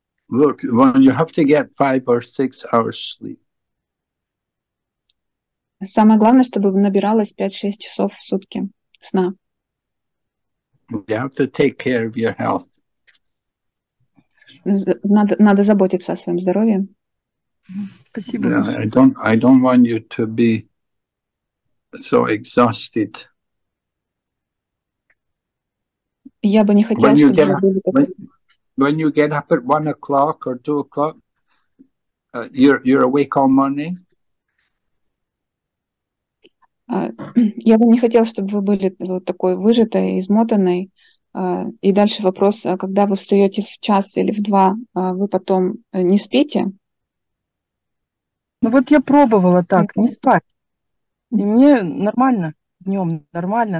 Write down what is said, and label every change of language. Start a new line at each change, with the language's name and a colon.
English: Look, well, you have to get 5 or 6 hours sleep.
Russian: Самое главное, чтобы набиралось 5-6 часов в сутки сна.
English: You have to take care of your health.
Russian: Надо заботиться о своем здоровье. Спасибо.
English: I don't want you to be so exhausted.
Russian: Я бы не хотела, чтобы вы были такой.
English: When you get up at 1 o'clock or 2 o'clock, you're awake all morning.
Russian: Я бы не хотела, чтобы вы были вот такой выжатой, измотанной. И дальше вопрос, когда вы встаете в час или в два, вы потом не спите? Ну вот я пробовала так, не спать. И мне нормально днем, нормально.